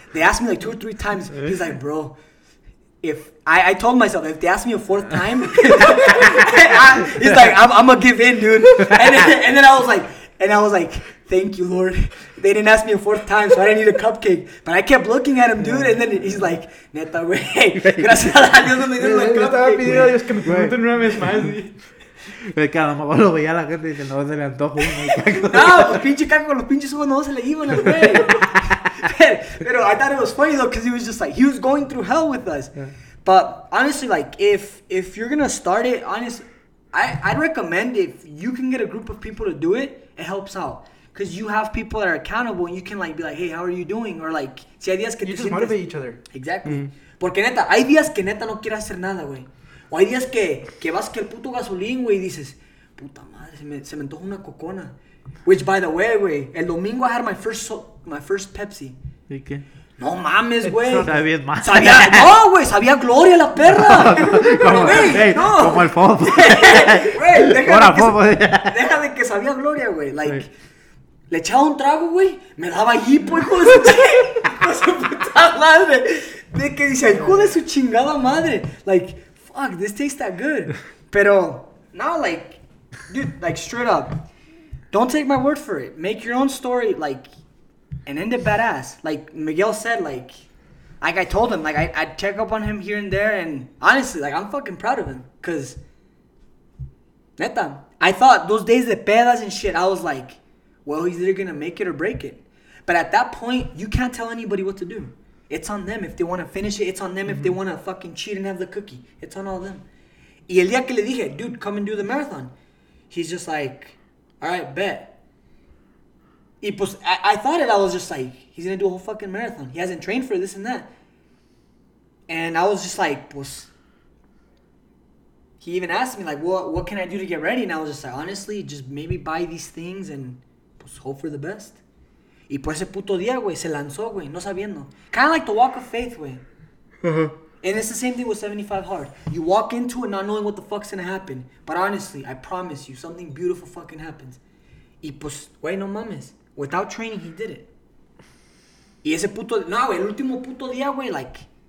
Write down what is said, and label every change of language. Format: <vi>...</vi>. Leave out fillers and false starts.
<en>They asked me like 2 or 3 times. He's like, bro, I told myself, if they ask me a fourth time, he's like, I'm going to give in, dude. And then I was like, thank you, Lord. They didn't ask me a fourth time, so I didn't need a cupcake. But I kept looking at him, dude. And then he's like,</en> <es>neta, güey. Gracias a Dios, no me dieron la cupcake. Yo estaba pidiendo a Dios que me pregunten una vez más. Es que a lo mejor lo veía la gente y dice, no se le antojo. No, pues pinche caco con los pinches ojos no se le iban, güey.</es> <en>Pero I thought it was funny, though, because he was just like, he was going through hell with us. Yeah. But honestly, like, if you're going to start it, honestly, I'd recommend if you can get a group of people to do it, it helps out. Because you have people that are accountable and you can, like, be like, hey, how are you doing? Or, like,</en> <es>si hay días que</es> <en>you</en> <es>te sientes...</es> <en>You just motivate each other. Exactly. Mm-hmm.</en> <es>Porque, neta, hay días que neta no quieres hacer nada, güey. O hay días que vas que el puto gasolín, güey, y dices, puta madre, se me antoja una cocona.</es> <en>Which, by the way, güey,</en> <es>el domingo</es> <en>I had my first Pepsi.</en> <es>¿Y qué? No mames, güey. Sabía más. Sabía... No, güey, sabía gloria la perra. Como, güey, hey, no. Como el Fofo. Güey, déjame que sabía gloria, güey. Like... Wey. Le echaba un trago, güey. Me daba hipo, hijo de su chingada. Hijo de su puta madre. De que dice, hijo de su chingada madre.</es> <en>Like, fuck, this tastes that good.</en> <es>Pero, no,</es> <en>like, dude, like, straight up. Don't take my word for it. Make your own story, like, and end it badass. Like Miguel said, like I told him, like, I'd check up on him here and there. And honestly, like, I'm fucking proud of him. Because, neta, I thought those days</en> <es>de pedas</es> <en>and shit, I was like, well, he's either going to make it or break it. But at that point, you can't tell anybody what to do. It's on them. If they want to finish it, it's on them. Mm-hmm. If they want to fucking cheat and have the cookie, it's on all of them.</en> <es>Y el día que le dije,</es> <en>dude, come and do the marathon. He's just like, all right, bet.</en> <es>Y pues,</es> <en>I thought it. I was just like, he's going to do a whole fucking marathon. He hasn't trained for this and that. And I was just like, pues, he even asked me, like, what can I do to get ready? And I was just like, honestly, just maybe buy these things and pues, hope for the best.</en> <es>Y pues ese puto día, güey, se lanzó, güey, no sabiendo.</es> <en>Kind of like the walk of faith, güey. Uh-huh. And it's the same thing with 75 Hard. You walk into it not knowing what the fuck's going to happen. But honestly, I promise you, something beautiful fucking happens.</en> <es>Y pues, güey, no mames.</es> <en>Without training, he did it.</en> <es>Y ese puto, no, güey, el último puto día, güey, like...</es>